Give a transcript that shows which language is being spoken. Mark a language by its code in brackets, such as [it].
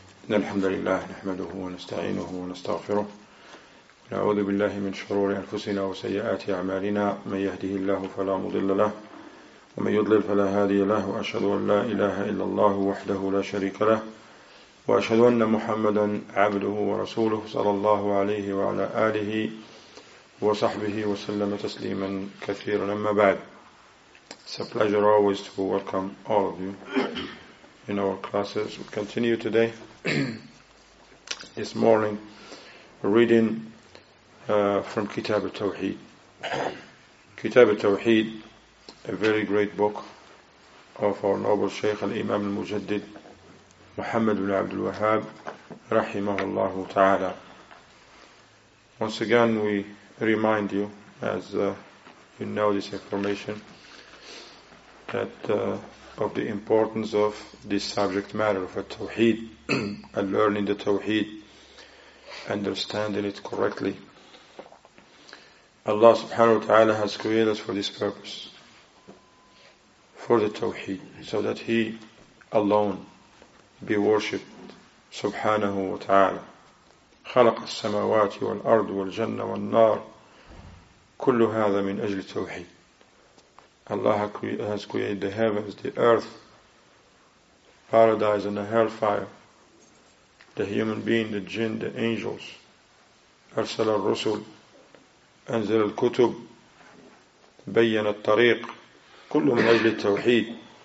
[ar] إن الحمد لله نحمده ونستعينه ونستغفره ونعوذ بالله من شرور أنفسنا وسيئات أعمالنا، من يهده الله فلا مضل له ومن يضلل فلا هادي له، وأشهد أن لا إله إلا الله وحده لا شريك له، وأشهد أن محمدا عبده ورسوله صلى الله عليه وعلى آله وصحبه وسلم تسليما كثيرا. أما بعد، [en] It's a pleasure always to welcome all of you in our classes. We continue today, this morning, reading from Kitab al-Tawheed. Kitab al-Tawheed, a very great book of our noble Shaykh al-Imam al-Mujaddid, Muhammad ibn Abdul Wahhab, rahimahullah ta'ala. Once again, we remind you, as you know this information, that of the importance of this subject matter of a tawheed, and learning the tawheed, understanding it correctly. Allah subhanahu wa ta'ala has created us for this purpose, for the tawheed, so that He alone be worshipped, subhanahu wa ta'ala. [ar] خلق السماوات والأرض والجنة والنار كل هذا من أجل التوحيد. [en] Allah has created the heavens, the earth, paradise and the hellfire, the human being, the jinn, the angels, [ar] أرسل الرسل, أنزل الكتب, بيّن الطريق, كل من أجل التوحيد.